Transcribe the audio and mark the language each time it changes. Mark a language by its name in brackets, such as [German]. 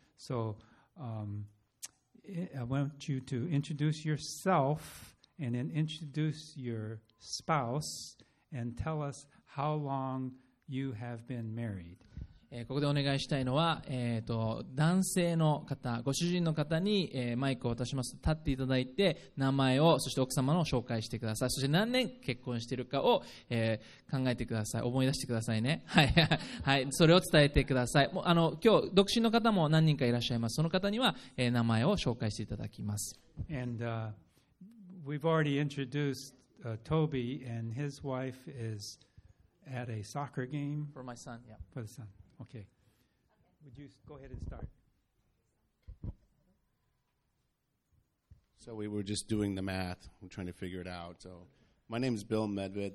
[English] So I want you to introduce yourself and then introduce your spouse. And tell us how long you have been married. [Japanese] ここでお願いしたいのは、男性の方、ご主人の方に、マイクを渡しますと立っていただいて、名前を、そして奥様のを紹介してください。そして何年結婚しているかを、考えてください。思い出してくださいね。はい。それを伝えてください。もう、今日、独身の方も何人かいらっしゃいます。その方には、名前を紹介していただきます。 [English] And, we've already introduced. Toby and his wife is at a soccer game. For my son, yeah. For the son, okay. Would you go ahead and start? So we were just doing the math. We're trying to figure it out. So my name is Bill Medved.